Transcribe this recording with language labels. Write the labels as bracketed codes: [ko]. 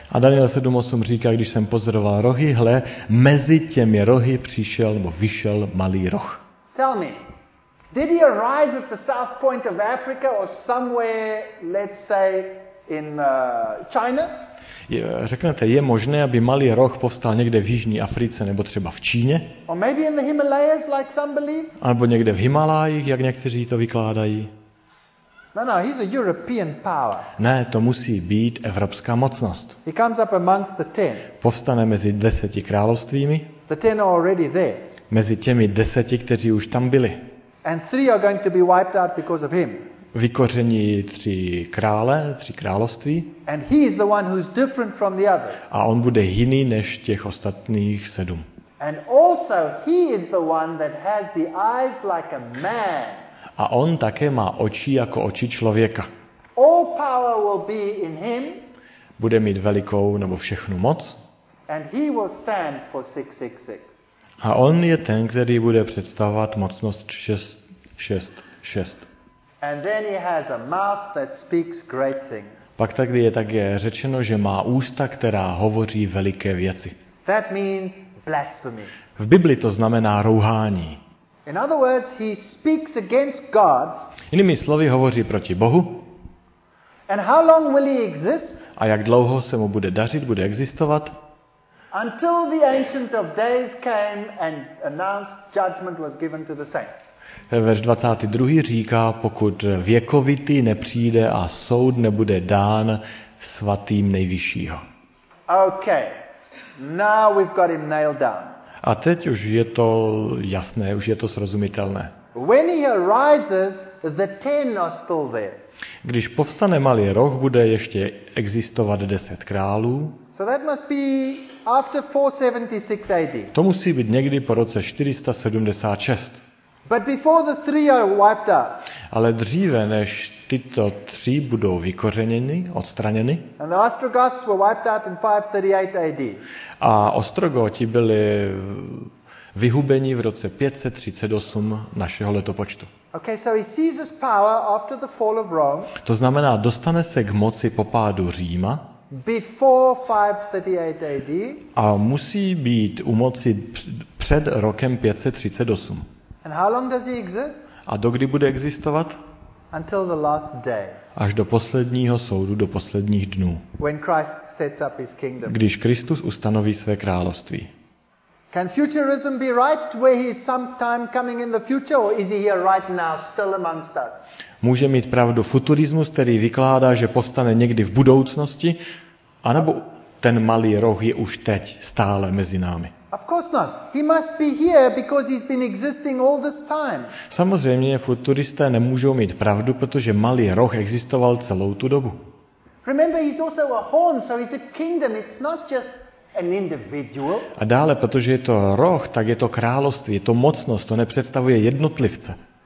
[cs] A Daniel 7:8 říká, když jsem pozoroval rohy, hle, mezi těmi rohy přišel nebo vyšel malý roh. [en] Tell me, did he arise at the south point of Africa or somewhere, let's say, in China? [cs] Řeknete, je možné, aby malý roh povstal někde v jižní Africe nebo třeba v Číně? [en] Or maybe in the Himalayas, like some believe? [cs] Albo někde v Himalájích, jak někteří to vykládají? [en] No, no, he's a European power. [cs] Ne, to musí být evropská mocnost. [en] He comes up amongst the ten. [cs] Povstane mezi 10 královstvími. [en] The ten are already there. [cs] Mezi těmi 10, kteří už tam byli. [en] And 3 are going to be wiped out because of him. [cs] Vykoření 3 krále, 3 království. [en] And he is the one who's different from the others. [cs] A on bude jiný než těch ostatních 7. [en] And also he is the one that has the eyes like a man. [cs] A on také má oči jako oči člověka. [en] All power will be in him. [cs] Bude mít velikou nebo všechnu moc. [en] And he will stand for 666. [cs] A on je ten, který bude představovat mocnost 666. [en] And then he has a mouth that speaks great things. [cs] Pak taky je také řečeno, že má ústa, která hovoří veliké věci. [en] That means blasphemy. [cs] V Bibli to znamená rouhání. [en] In other words, he speaks against God. [cs] Jinými slovy, hovoří proti Bohu. [en] And how long will he exist? [cs] A jak dlouho se mu bude dařit, bude existovat? [en] Until the Ancient of Days came and announced judgment was given to the saints. [cs] Verš 22. říká, pokud věkovitý nepřijde a soud nebude dán svatým nejvyššího. [en] Okay. Now we've got him nailed down. [cs] A teď už je to jasné, už je to srozumitelné. [en] When he arises, the ten are still there. [cs] Když povstane malý roh, bude ještě existovat 10 králů. [en] So that must be after 476 AD. [cs] To musí být někdy po roce 476. [en] But before the three are wiped out. [cs] Ale dříve než tyto tři budou vykořeněny, odstraněny. [en] And the Ostrogoths were wiped out in 538 AD. [cs] A Ostrogoti byli vyhubeni v roce 538 našeho letopočtu. [en] Okay, so he sees his power after the fall of Rome. [cs] To znamená, dostane se k moci po pádu Říma. [en] Before 538 AD. [cs] A musí být u moci před rokem 538. [en] And how long does he exist? [cs] A dokdy bude existovat? [en] Until the last day. [cs] Až do posledního soudu, do posledních dnů. [en] When Christ sets up his kingdom. [cs] Když Kristus ustanoví své království. [en] Can futurism be right where he is sometime coming in the future or is he here right now still amongst us? [cs] Může mít pravdu futurismus, který vykládá, že povstane někdy v budoucnosti, anebo ten malý roh je už teď stále mezi námi. [en] Of course not. He must be here because he's been existing all this time. [cs] Samozřejmě futuristé nemůžou mít pravdu, protože malý roh existoval celou tu dobu. [en] Remember, he's also a horn, so he's a kingdom. It's not just an individual. [cs] A dále, protože je to roh, tak je to království, je to mocnost, to nepředstavuje jednotlivce.